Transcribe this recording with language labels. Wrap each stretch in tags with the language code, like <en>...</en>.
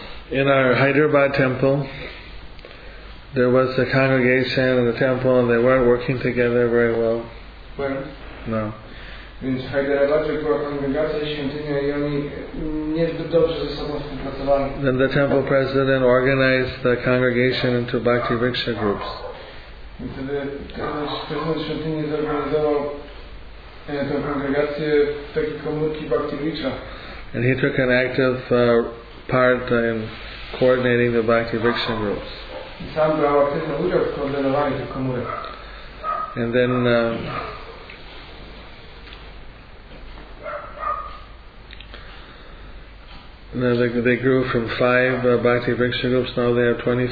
<en>In our Hyderabad temple, there was a congregation in the temple and they weren't working together very well. Where? No.</en> <pl>Więc w Hyderabadzie była kongregacja świątynia i oni niezbyt dobrze ze sobą współpracowali.</pl> <en>Then the temple president organized the congregation into bhakti riksha groups.</en> <pl>I wtedy prezydent świątyni zorganizował tę kongregację w takie komórki bhakti riksha.</pl> <en>And he took an active part in coordinating the bhakti riksha groups.</en> <pl>I sam brał aktywny udział w koordynowaniu tych komórek.</pl> <en>And then now they grew from 5 bhakti riksha groups, now they have</en>